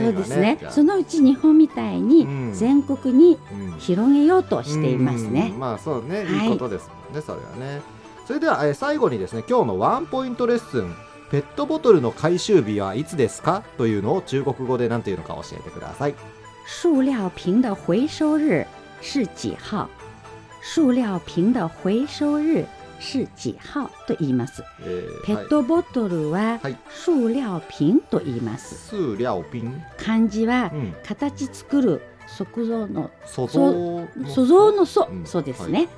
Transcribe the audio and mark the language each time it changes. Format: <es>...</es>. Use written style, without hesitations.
<ja>そうですね、そのうち日本みたいに全国に広げようとしていますね。まあそうね、いいことですもんね、はい、それはね。それでは最後にですね、今日のワンポイントレッスン、ペットボトルの回収日はいつですかというのを中国語で何ていうのか教えてください。</ja> <zh>塑料瓶的回收日是几号？塑料瓶的回收日是几号</zh> <ja>と言います。ペットボトルは塑料瓶と言います。</ja> <zh>塑料瓶。</zh> <ja>漢字は形作る塑造の</ja> <zh>塑。</zh> <ja>塑造の塑、そうですね。</ja>